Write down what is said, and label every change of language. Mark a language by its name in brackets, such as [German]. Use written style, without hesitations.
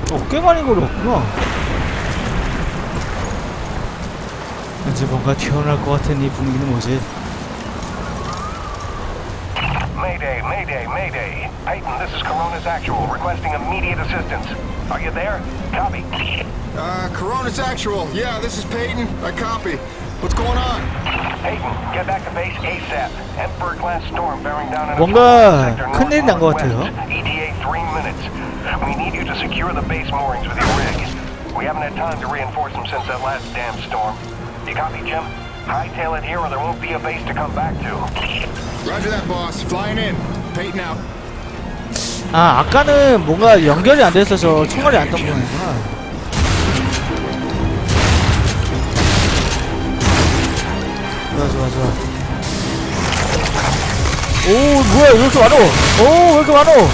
[Korean] 꽤 많이 걸었구나. 이제 뭔가 튀어나올 것 같은 이 분위기는 뭐지? [English] Mayday, Mayday, mayday, mayday. Peyton, this is Corona's Actual, requesting immediate assistance. Are you there? Copy. Corona's Actual. Yeah, this is Peyton. I copy. What's going on? Peyton, get back to base ASAP. Emperor-class storm bearing down on... [Korean] 뭔가 큰일 난 것 같아요. [English] ETA 3 minutes. We need you to secure the base moorings with your rig. We haven't had time to reinforce them since that last damn storm. You copy, Jim? Hightail it here or there won't be a base to come back to. Roger that, boss. Flying in. Peyton out. [Korean] 아, 아까는 뭔가 연결이 안 됐어서 총알이 안 떴구나. 좋아, 좋아, 좋아. 오, 뭐야, 왜 이렇게 많어? 오, 왜 이렇게 많어?